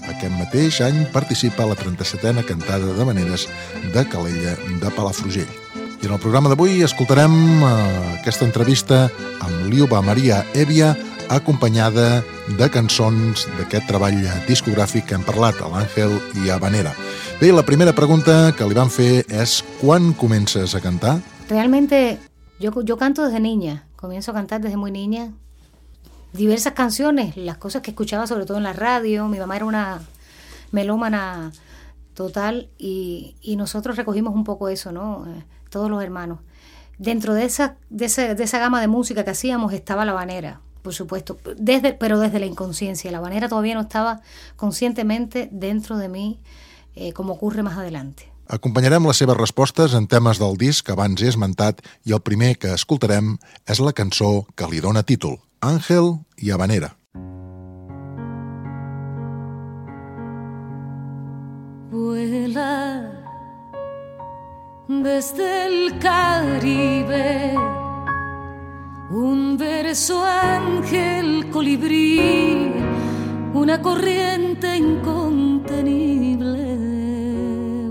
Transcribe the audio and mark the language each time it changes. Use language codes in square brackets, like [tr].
[ca] Aquest mateix any participa a la 37a cantada d'habaneres de Calella de Palafrugell. I en el programa d'avui escoltarem aquesta entrevista amb Liuba Maria Hevia, acompanyada de cançons d'aquest treball discogràfic que hem parlat, a l'Àngel i Habanera. Bé, la primera pregunta que li van fer és: quan comences a cantar? [es] Realmente, yo canto desde niña. Comienzo a cantar desde muy niña. Diversas canciones, las cosas que escuchaba sobre todo en la radio. Mi mamá era una melómana total y nosotros recogimos un poco eso, ¿no? Todos los hermanos. Dentro de esa gama de música que hacíamos estaba la habanera, por supuesto, desde la inconsciencia. La habanera todavía no estaba conscientemente dentro de mí, como ocurre más adelante. [ca] Acompanyarem les seves respostes en temes del disc que abans he esmentat i el primer que escoltarem és la cançó que li dona títol, Àngel i Habanera. [es] Vuela desde el Caribe un verso ángel colibrí, una corriente incontenible.